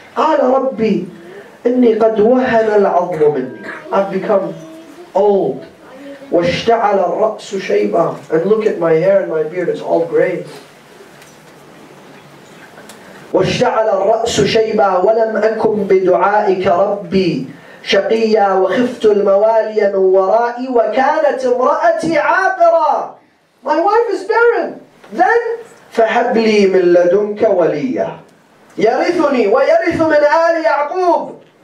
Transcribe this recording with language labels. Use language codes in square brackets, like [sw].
[ar] Qala rabbi, إني قد وهن العظم مني. [en] I've become old. [ar] واشتعل الرأس شيبا. [en] And look at my hair and my beard, it's all gray. [ar] واشتعل الرأس شيبا ولم أكن بدعائك ربي شقيا وخفت الموالي من ورائي وكانت امرأتي عاقرا. [en] My wife is barren. [ar] Then فهب لي من لدنك وليا يرثني ويرث من آل يعقوب.